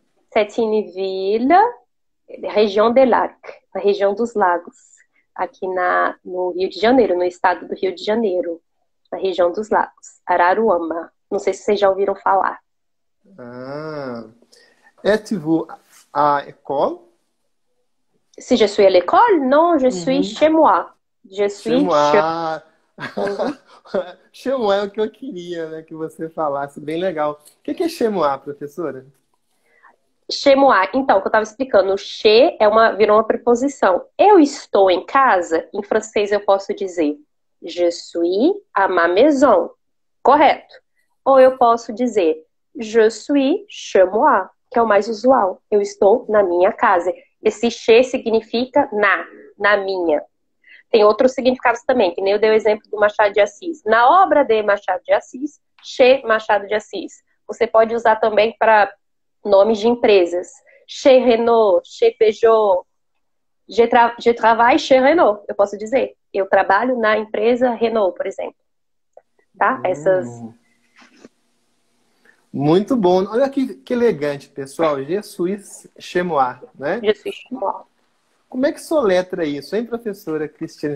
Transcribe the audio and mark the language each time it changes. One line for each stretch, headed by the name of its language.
French: C'est une ville, région des lacs,
Portuguese: a região dos lagos. aqui no Rio de Janeiro, no estado do Rio de Janeiro, na região dos lagos, Araruama. Não sei se vocês já ouviram falar.
French: Ah, est-vous à l'école? Se je suis à l'école? Non, je suis Uhum. chez moi. Je Chez suis moi. chez.
Portuguese: Chez moi é o que eu queria, né, que você falasse, bem legal. O que é chez moi, professora?
French: Chez moi.
Portuguese: Então, o que eu estava explicando, chez virou uma preposição. Eu estou em casa, em francês eu posso dizer
French: je suis à ma maison.
Portuguese: Correto. Ou eu posso dizer
French: je suis chez moi,
Portuguese: que é o mais usual. Eu estou na minha casa. Esse chez significa na minha. Tem outros significados também, que nem eu dei o exemplo do Machado de Assis. Na obra de Machado de Assis, chez Machado de Assis. Você pode usar também para nomes de empresas.
French: Chez Renault, chez Peugeot. Je travaille chez Renault,
Portuguese: eu posso dizer. Eu trabalho na empresa Renault, por exemplo. Tá? Essas. Muito bom. Olha que elegante, pessoal. Jesus Chemoá, né?
French: Je suis chez moi.
Portuguese: Como é que soletra isso, hein, professora Cristina?